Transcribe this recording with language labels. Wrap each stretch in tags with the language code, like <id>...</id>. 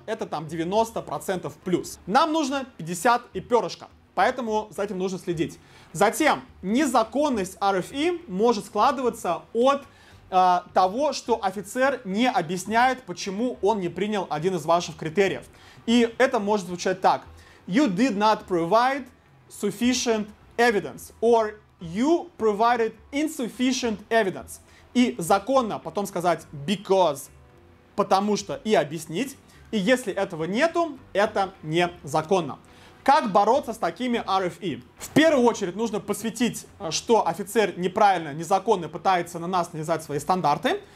<ru>Это там 90% плюс. Нам нужно 50 и перышко. Поэтому за этим нужно следить. Затем, незаконность RFI может складываться от того, что офицер не объясняет, почему он не принял один из ваших критериев. И это может звучать так.</ru> <en>You did not provide sufficient evidence. Or you provided insufficient evidence.</en> <ru>И законно потом сказать because, потому что, и объяснить. И если этого нету, это незаконно. Как бороться с такими RFE? В первую очередь нужно посвятить, что офицер неправильно, незаконно пытается на нас навязать свои стандарты.</ru>